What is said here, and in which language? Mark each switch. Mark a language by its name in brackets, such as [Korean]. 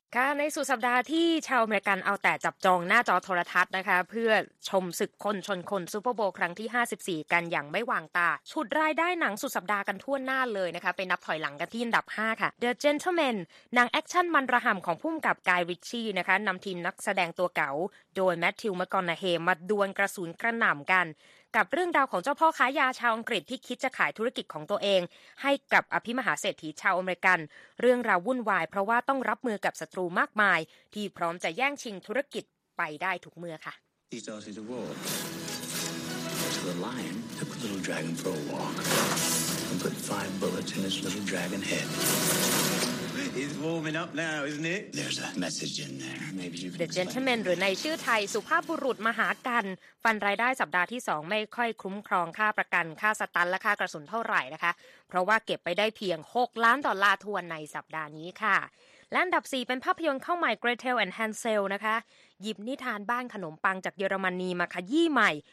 [Thai] ค่ะในสุดสัปดาห์ที่ชาวอเมริกันเอาแต่จับจองหน้าจอโทรทัศน์นะคะเพื่อชมศึกคนชนคนซูเปอร์โบว์ครั้งที่54กันอย่างไม่วางตาฉุดรายได้หนังสุดสัปดาห์กันทั่วหน้าเลยนะคะไปนับถอยหลังกันที่อันดับ5ค่ะ The Gentleman หนังแอคชั่นมันระห่ำของพุ่มกับกายริชชี่นะคะนำทีมนักแสดงตัวเก๋าโดยแมทธิวแมคคอนาเฮมาดวลกระสุนกระหน่ำกัน กับเรื่องราวของเจ้าพ่อค้ายาชาวอังกฤษที่คิดจะขายธุรกิจของตัวเองให้กับอภิมหาเศรษฐีชาวอเมริกันเรื่องราววุ่นวายเพราะว่าต้องรับมือกับศัตรูมากมายที่พร้อมจะแย่งชิงธุรกิจไปได้ทุกเมื่อค่ะ [English] He thought he's a wolf. So the lion took a little dragon for a walk and put 5 bullets in his little dragon head. It's warming up now, isn't it? There's a message in there. Maybe you can explain. [Thai] The Gentleman หรือในชื่อไทยสุภาพบุรุษมหากันฟันรายได้สัปดาห์ที่2ไม่ค่อยคุ้มครองค่าประกันค่าสตันและค่ากระสุนเท่าไหร่นะคะเพราะว่าเก็บไปได้เพียง6ล้านดอลลาร์ทวนในสัปดาห์นี้ค่ะ อันดับ4เป็นภาพยนตร์เข้าใหม่ Gretel and Hansel นะคะหยิบนิทานบ้านขนมปังจากเยอรมนีมาขยี้ใหม่